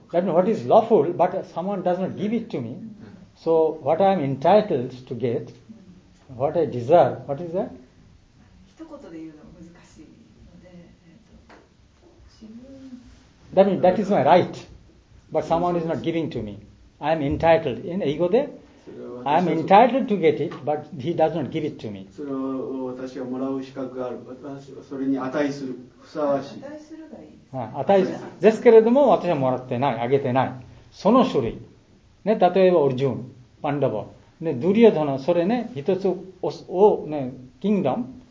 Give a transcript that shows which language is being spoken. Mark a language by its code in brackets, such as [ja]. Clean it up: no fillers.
[en] what is lawful but someone does not give it to me、うん、so what I am entitled to get、うん、what I deserve, what is that? [ja] 一言で言うのは難しいので、 [en] that means that is my right but someone is not giving to me, I am entitled, in ego で I am entitled to get it but he does not give it to me、 [ja] それは私はもらう資格がある、私はそれに値するふさわしい、値するがいい、はい、値ですけれども、私はもらってない、あげてない。その種類。ね、例えば、オルジュン、パンダボ。ね、ドゥリアドナ、それね、一つを、ね、キングダム。